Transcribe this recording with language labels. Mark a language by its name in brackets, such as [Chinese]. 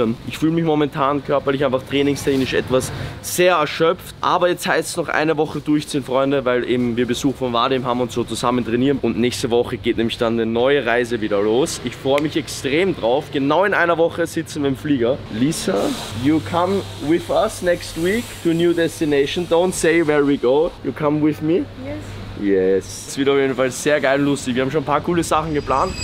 [German] Ich fühle mich momentan körperlich einfach trainingstechnisch etwas sehr erschöpft. Aber jetzt heißt es noch eine Woche durchziehen, Freunde, weil eben wir Besuch von Vadim haben und so zusammen trainieren. Und nächste Woche geht nämlich dann eine neue Reise wieder los. Ich freue mich extrem drauf. Genau in einer Woche sitzen wir im Flieger. [English] Lisa, you come with us next week to new destination. Don't say where we go. You come with me? Yes. Yes. [German] Es wird auf jeden Fall sehr geil und lustig. Wir haben schon ein paar coole Sachen geplant.